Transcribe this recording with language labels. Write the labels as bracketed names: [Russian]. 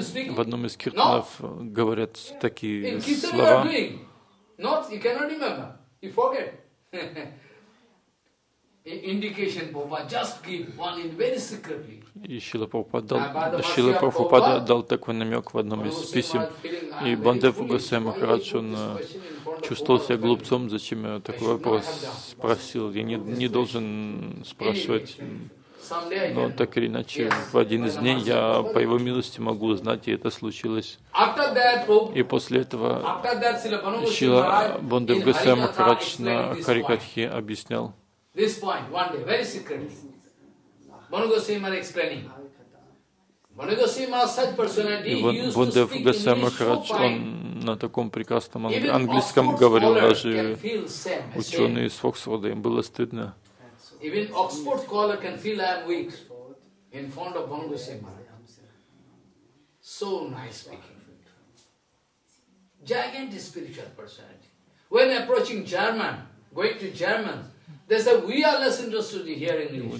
[Russian] В одном из киртанов говорят такие слова. [English] Not, you cannot remember. You forget. Indication, Prabhupada, just give one in very secretly. [Russian] И Шрила Прабхупада дал, Шрила Прабхупада дал такой намек в одном из писем. И Бхагаван Госвами Махарадж, он чувствовал себя глупцом, зачем я такой вопрос спросил. Я не должен спрашивать. Но так или иначе, в один из дней я по его милости могу узнать, и это случилось. И после этого Шрила Бхагаван Госвами Махарадж на Харикатхе объяснял. [English] This point, one day, very secretly. Bhanugasimha explaining. Bhanugasimha has such personality, he used to speak English so fine. Bhanugasimha, [Russian] он на таком прекрасном английском говорил, даже ученые из Оксфорда, им было стыдно. [English] Even Oxford scholar can feel I am weak in front of Bhanugasimha. So nice speaking. Gigantic spiritual personality. When approaching German, going to German, they said, we are less interested in hearing English.